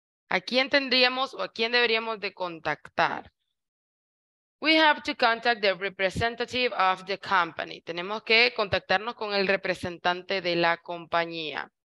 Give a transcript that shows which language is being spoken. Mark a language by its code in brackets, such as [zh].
[es] ¿A quién tendríamos o a quién deberíamos de contactar? [en] We have to contact the representative of the company. [es] Tenemos que contactarnos con el representante de la compañía.